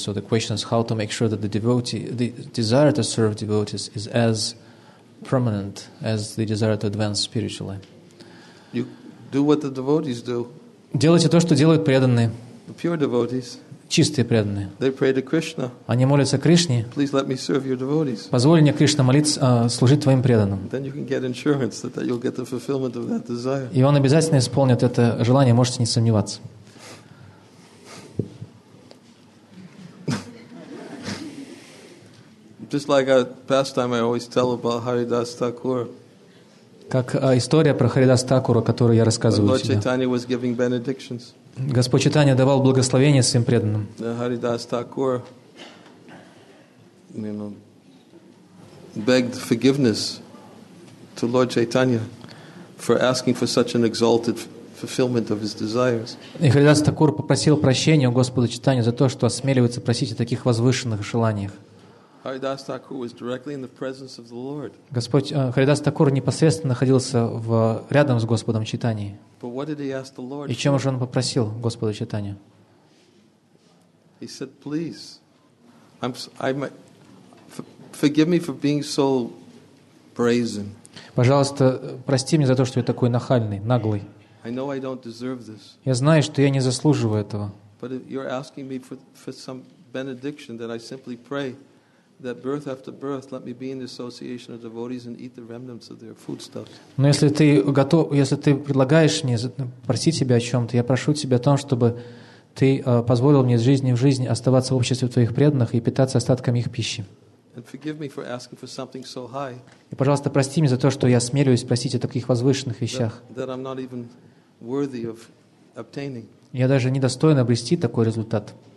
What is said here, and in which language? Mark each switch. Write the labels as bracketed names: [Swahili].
[English] So the question is how to make sure that the devotee, the desire to serve devotees, is as permanent as the desire to advance spiritually. You do what the devotees do. [Russian] Делайте то, что делают преданные. [English] The pure devotees. [Russian] Чистые преданные. [English] They pray to Krishna. [Russian] Они молятся Кришне. [English] Please let me serve your devotees. [Russian] Позволь мне, Кришна, молиться, служить твоим преданным. [English] Then you can get insurance that you'll get the fulfillment of that desire. [Russian] И он обязательно исполнит это желание, можете не сомневаться. [English] Just like a pastime I always tell about Haridas Thakur. [Russian] Как история про Харидас Такура, которую я рассказываю тебе. [English] Lord Chaitanya was giving benedictions. [Russian] Господь Читания давал благословение своим преданным. [English] Харидас Такур, you know, begged forgiveness to Lord Chaitanya for asking for such an exalted fulfillment of his desires. [Russian] И Харидас Такур попросил прощения у Господа Читания за то, что осмеливается просить о таких возвышенных желаниях. [English] Харидас Такур was directly in the presence of the Lord. [Russian] Господь Харидас Такур непосредственно находился рядом с Господом Читании. [English] But what did he ask the Lord? [Russian] И чем же он попросил Господа Читания? [English] He said, "Please, forgive me for being so brazen." [Russian] Пожалуйста, прости меня за то, что я такой нахальный, наглый. [English] I know I don't deserve this. [Russian] Я знаю, что я не заслуживаю этого. [English] But if you're asking me for some benediction that I simply pray. That birth after birth, let me be in the association of devotees and eat the remnants of their foodstuffs. [Russian] Но если ты готов, если ты предлагаешь мне просить себя о чем-то, я прошу тебя о том, чтобы ты позволил мне из жизни в жизнь оставаться в обществе твоих преданных и питаться остатками их пищи. [English] And forgive me for asking for something so high. [Russian] И пожалуйста, прости меня за то, что я смелюсь просить о таких возвышенных вещах. [English] That I'm not even worthy of obtaining. [Russian] Я даже не достоин обрести такой результат.